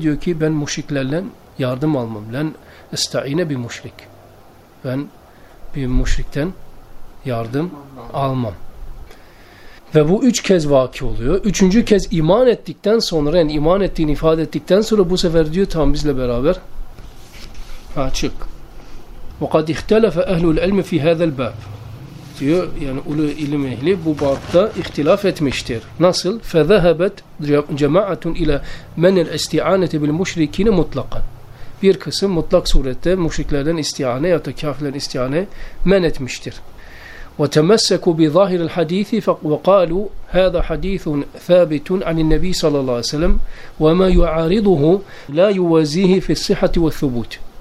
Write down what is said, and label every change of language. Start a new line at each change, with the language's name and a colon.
Turkish: Diyor ki ben müşriklerle yardım almam.
Arabic: Len esta'ine bir müşrik.
Turkish: Ben bir müşrikten yardım almam. Ve bu üç kez vaki oluyor. Üçüncü kez iman ettikten sonra, yani iman ettiğini ifade ettikten sonra bu sefer diyor tam bizle beraber. Ha çık.
Arabic: وَقَدْ اِخْتَلَفَ اَهْلُ الْاَلْمِ فِي هَذَا الْبَابِ diyor.
Turkish: Yani ulu ilim ehli bu babda ihtilaf etmiştir.
Arabic: Nasıl? فَذَهَبَتْ جَمَعَةٌ اِلَى مَنِ الْاَسْتِعَانَةِ بِالْمُشْرِك۪ينَ مُطْلَقًا.
Turkish: Bir kısım mutlak surette müşriklerden istiane ya da kafirlerden istiane men etmiştir.
Arabic: وَتَمَسَّكُوا بِظَاهِرِ الْحَد۪يثِ فَقَالُوا هَذَا حَد۪يثٌ ثَابِتٌ عَنِ النَّب۪ي صَلَى اللّٰهِ وَسَلَمْ وَمَا يُعَارِضُهُ لَا يُوَزِيهِ فِي الصِّحَةِ وَالثُّبُوتِ.